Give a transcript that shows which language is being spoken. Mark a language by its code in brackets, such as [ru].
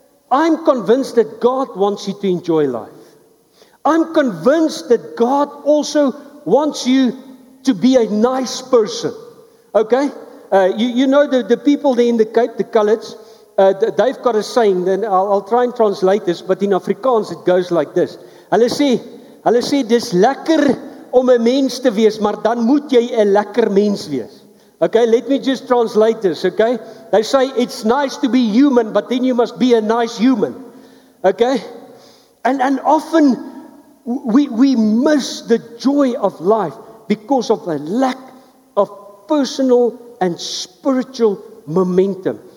[en] I'm convinced that God wants you to enjoy life. I'm convinced that God also wants you to be a nice person, okay? You know the people there in the Cape, the Coloureds, they've got a saying, and I'll try and translate this, but in Afrikaans it goes like this. [af] Hulle sê, dis lekker om 'n mens te wees, maar dan moet jy 'n lekker mens wees. [en] Okay, let me just translate this, okay? They say, it's nice to be human, but then you must be a nice human, okay? And often we miss the joy of life because of a lack of personal and spiritual momentum.